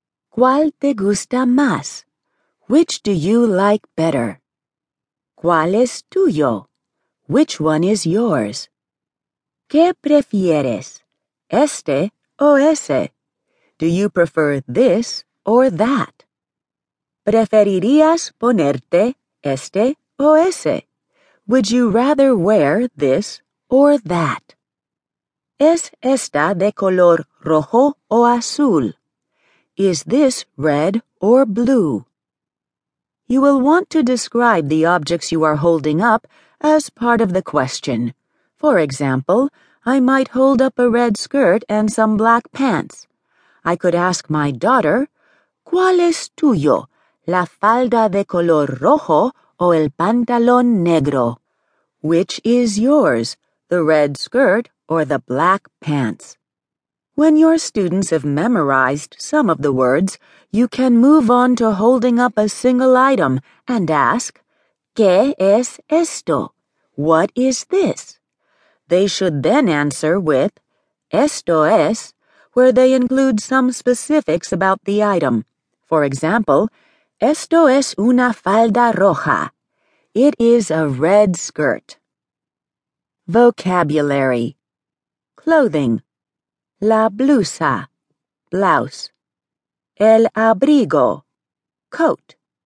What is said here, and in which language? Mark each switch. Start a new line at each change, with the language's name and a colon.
Spanish: ¿Cuál te gusta más?
English: Which do you like better?
Spanish: ¿Cuál es tuyo?
English: Which one is yours?
Spanish: ¿Qué prefieres? ¿Este o ese?
English: Do you prefer this or that?
Spanish: ¿Preferirías ponerte este o ese?
English: Would you rather wear this or that?
Spanish: ¿Es esta de color rojo o azul?
English: Is this red or blue? You will want to describe the objects you are holding up as part of the question. For example, I might hold up a red skirt and some black pants. I could ask my daughter,
Spanish: ¿Cuál es tuyo, la falda de color rojo o el pantalón negro?
English: Which is yours, the red skirt or the black pants? When your students have memorized some of the words, you can move on to holding up a single item and ask,
Spanish: ¿Qué es esto?
English: What is this? They should then answer with,
Spanish: ¿Esto es?
English: Where they include some specifics about the item. For example,
Spanish: ¿Esto es una falda roja?
English: It is a red skirt. Vocabulary. Clothing.
Spanish: La blusa. Blouse. El abrigo. Coat.